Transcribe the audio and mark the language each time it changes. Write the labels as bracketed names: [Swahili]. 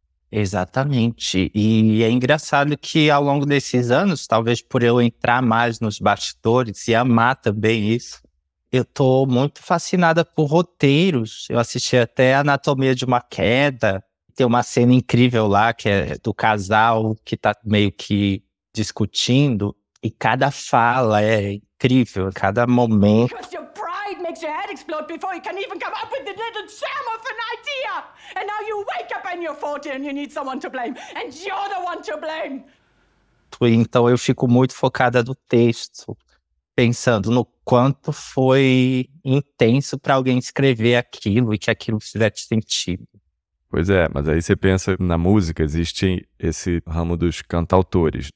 [Portuguese] Exatamente, e é engraçado que ao longo desses anos, talvez por eu entrar mais nos bastidores e amar também isso, eu tô muito fascinada por roteiros. Eu assisti até Anatomia de uma Queda, tem uma cena incrível lá que é do casal que tá meio que discutindo, e cada fala é incrível, cada momento. [English] Makes your head explode before you can even come up with the little gem of an idea. And now you wake up and you're 40 and you need someone to blame. And you're the one to blame. [Portuguese] Então eu fico muito focada no texto, pensando no quanto foi intenso para alguém escrever aquilo e que aquilo fizesse sentido. Pois é, mas aí você pensa na música, existe esse ramo dos cantautores.